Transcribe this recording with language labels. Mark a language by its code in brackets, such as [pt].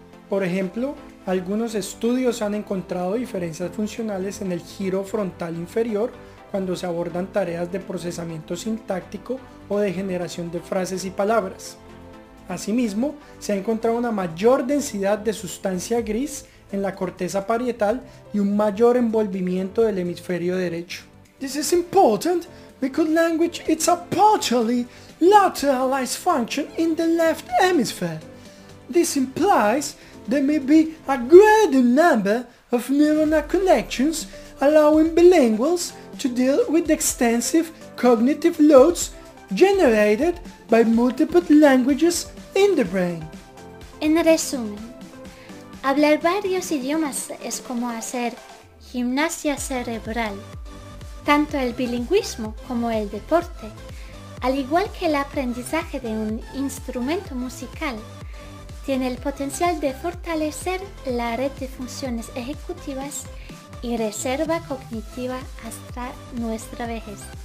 [es] Por ejemplo, algunos estudios han encontrado diferencias funcionales en el giro frontal inferior cuando se abordan tareas de procesamiento sintáctico o de generación de frases y palabras. Asimismo, se ha encontrado una mayor densidad de sustancia gris en la corteza parietal y un mayor envolvimiento del hemisferio derecho. [en] This is important because language is a partially lateralized function in the left hemisphere. This implies there may be a greater number of neuronal connections allowing bilinguals to deal with extensive cognitive loads generated by multiple languages in the brain. [es] En resumen, hablar varios idiomas es como hacer gimnasia cerebral. Tanto el bilingüismo como el deporte, al igual que el aprendizaje de un instrumento musical, tiene el potencial de fortalecer la red de funciones ejecutivas y reserva cognitiva hasta nuestra vejez.